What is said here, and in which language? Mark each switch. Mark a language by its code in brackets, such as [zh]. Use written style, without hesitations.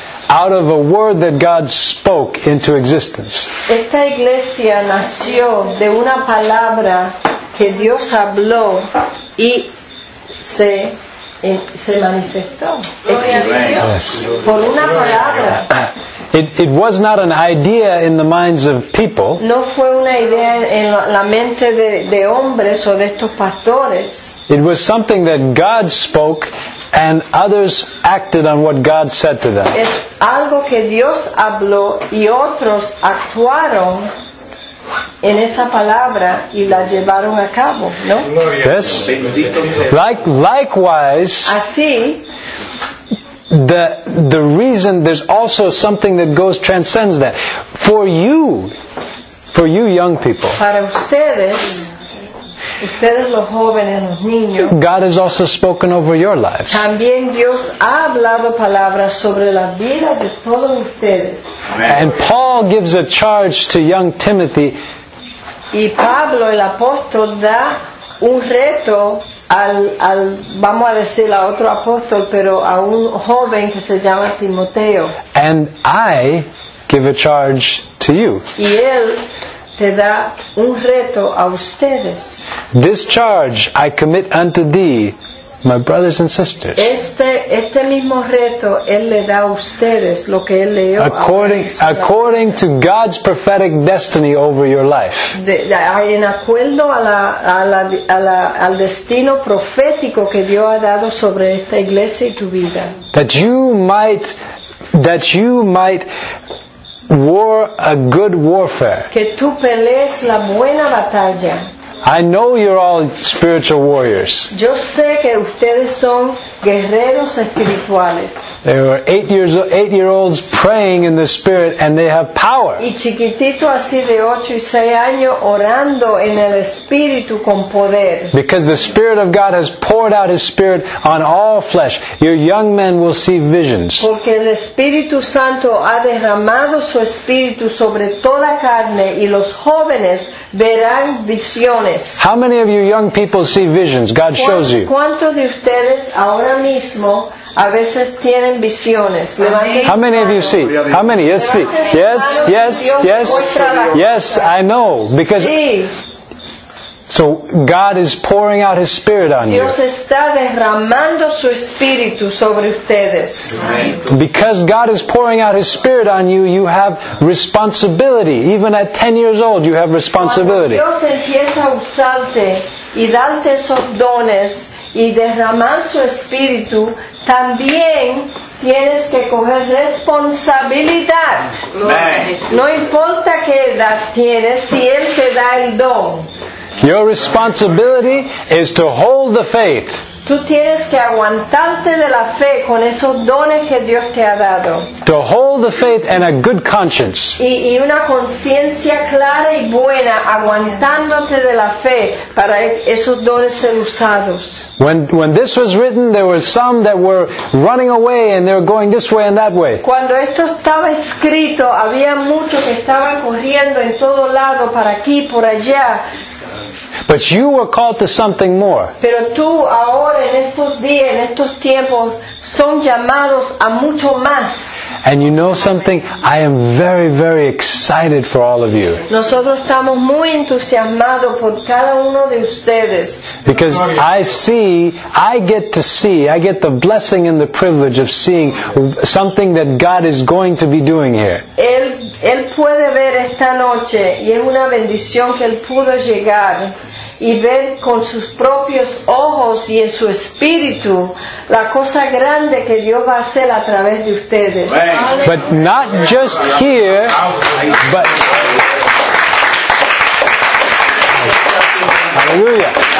[en] out of a word that God spoke into existence. [es] Esta iglesia nació de una palabra que Dios habló y se manifestó. [en] Yes. [es] Por una palabra. [en] It was not an idea in the minds of people. [es] No fue una idea en la mente de hombres o de estos pastores. [en] It was something that God spoke, and others acted on what God said to them. [es] Es algo que Dios habló y otros actuaron en esa palabra y la llevaron a cabo, ¿no? [en] Yes. Likewise. [es] Así. [en] The reason, there's also something that goes transcends that. For you young people. [es] Para ustedes los jóvenes, los niños. [en] God has also spoken over your lives. [es] También Dios ha hablado palabras sobre la vida de todos ustedes. [en] And Paul gives a charge to young Timothy. [es] Y Pablo el apóstol da un reto al vamos a decir a otro apóstol, pero a un joven que se llama Timoteo. [en] And I give a charge to you. [es] Y él te da un reto a ustedes. [en] This charge I commit unto thee, my brothers and sisters. [es] Este mismo reto él le da a ustedes, lo que él leyó. [en] According to God's prophetic destiny over your life. [es] En acuerdo al destino profético que Dios ha dado sobre esta iglesia y tu vida. [en] That you might war a good warfare. [es] Que tú pelees la buena batalla. [en] I know you're all spiritual warriors. [es] Yo sé que ustedes son guerreros espirituales. [en] There were eight-year-olds praying in the spirit, and they have power. [es] Y chiquitito así de 8 y 6 años orando en el espíritu con poder. [en] Because the Spirit of God has poured out His Spirit on all flesh, your young men will see visions. [es] Porque el Espíritu Santo ha derramado su espíritu sobre toda carne, y los jóvenes verán visiones. [en] How many of you young people see visions? God shows you. [es] ¿Cuántos de ustedes ahora mismo a veces tienen visiones? [en] How many of you see? How many? Yes, see. Yes, yes, yes. Yes, I know. Because. So God is pouring out His Spirit on you. [es] Dios está derramando su espíritu sobre ustedes. [en] Because God is pouring out His Spirit on you, you have responsibility. Even at 10 years old, you have responsibility. [es] Dios empieza a usarte y darte esos dones y derramar su espíritu, también tienes que coger responsabilidad. No importa qué edad tienes, si Él te da el don. [en] Your responsibility is to hold the faith. [es] Tú tienes que aguantarte de la fe con esos dones que Dios te ha dado. [en] To hold the faith and a good conscience. [es] Y una conciencia clara y buena aguantándote de la fe para esos dones ser usados. [en] When this was written, there were some that were running away and they were going this way and that way. [es] Cuando esto estaba escrito, había muchos que estaban corriendo en todo lado, para aquí, por allá. [en] But you were called to something more. [es] Pero tú ahora en estos días, en estos tiempos, son llamados a mucho más. [en] And you know something? I am very, very excited for all of you. [es] Nosotros estamos muy entusiasmados por cada uno de ustedes. [en] Because I get the blessing and the privilege of seeing something that God is going to be doing here. [es] Él puede ver esta noche, y es una bendición que él pudo llegar y ver con sus propios ojos y en su espíritu la cosa grande que Dios va a hacer a través de ustedes. [en] But not just here, but hallelujah.